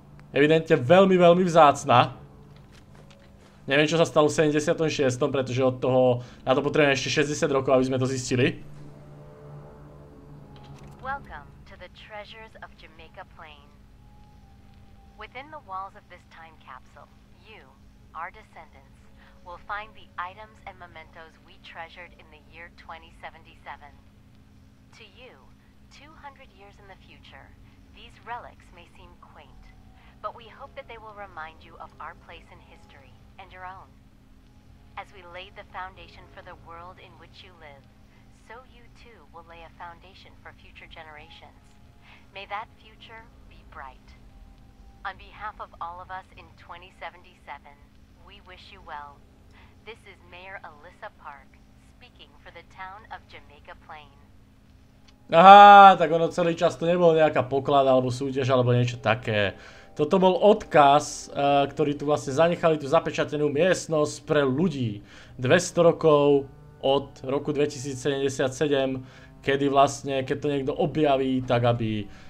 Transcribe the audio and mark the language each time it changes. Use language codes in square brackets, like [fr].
[sk] Evidentne veľmi, veľmi vzácna. Neviem, čo sa stalo v 76, pretože od toho... Na to potrebujeme ešte 60 rokov, aby sme to zistili. [en] Welcome to the treasures of Jamaica Plain. Within the walls of this time capsule, you, our descendants, will find the items and mementos we treasured in the year 2077. To you, 200 years in the future, these relics may seem quaint, but we hope that they will remind you of our place in history and your own. As we laid the foundation for the world in which you live, so you too will lay a foundation for future generations. May that future be bright. On behalf of all of us in 2077, we wish you well. This is Mayor Alyssa Park, speaking for the town of Jamaica Plain. [sk] Aha, tak ono celý čas to nebol nejaká poklad, alebo súťaž, alebo niečo také. Toto bol odkaz, ktorý tu vlastne zanechali, tú zapečatenú miestnosť pre ľudí. 200 rokov od roku 2077, kedy vlastne, keď to niekto objaví, tak aby...